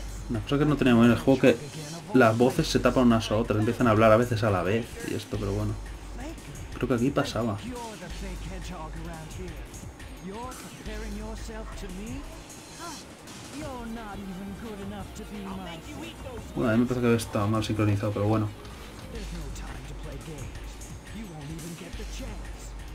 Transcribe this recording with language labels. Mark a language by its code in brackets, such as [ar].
[es] Una cosa que no teníamos en el juego es que las voces se tapan unas a otras, empiezan a hablar a veces a la vez y esto, pero bueno. Creo que aquí pasaba. [en] You're comparing yourself to me? Huh. You're not even good enough to be my friend. [es] Bueno, a mí me parece que estaba mal sincronizado, pero bueno. [en] There's no time to play games. You won't even get the chance.